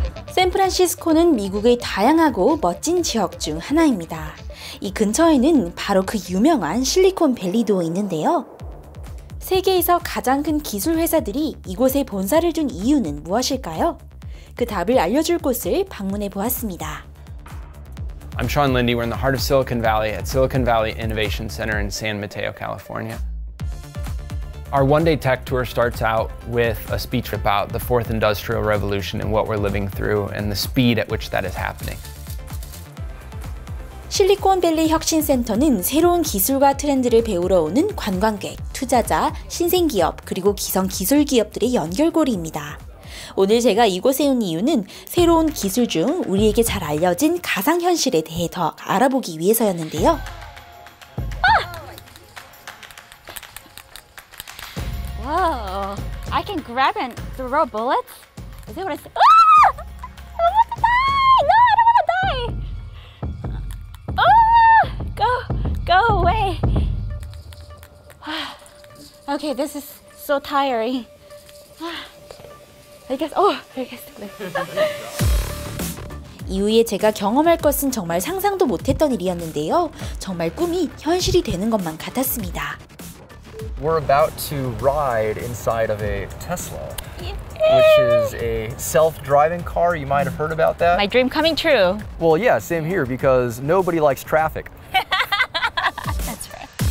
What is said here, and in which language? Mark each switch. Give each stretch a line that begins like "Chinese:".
Korean: 샌프란시스코는 미국의 다양하고 멋진 지역 중 하나입니다. 이 근처에는 바로 그 유명한 실리콘밸리도 있는데요. 세계에서 가장 큰 기술 회사들이 이곳에 본사를 둔 이유는 무엇일까요? 그 답을 알려줄 곳을 방문해 보았습니다.
English: I'm Sean Lindy. We're in the heart of Silicon Valley at Silicon Valley Innovation Center in San Mateo, California. Our one-day tech tour starts out with a speech about the fourth industrial revolution and what we're living through and the speed at which that is happening.
Korean: 실리콘밸리 혁신센터는 새로운 기술과 트렌드를 배우러 오는 관광객, 투자자, 신생기업, 그리고 기성 기술 기업들의 연결고리입니다. 오늘 제가 이곳에 온 이유는 새로운 기술 중 우리에게 잘 알려진 가상현실에 대해 더 알아보기 위해서였는데요.
English: 와, I can grab and throw bullets. Is that what I said? Ah! I want to die. No, I don't want to die. Oh, go, go away. Okay, this is so tiring. I guess. Oh, I guess.
Korean: 이후에 제가 경험할 것은 정말 상상도 못했던 일이었는데요. 정말 꿈이 현실이 되는 것만 같았습니다.
English: We're about to ride inside of a Tesla, which is a self-driving car. You might have heard about that. My dream coming true. Well, yeah, same here because nobody likes traffic. That's right.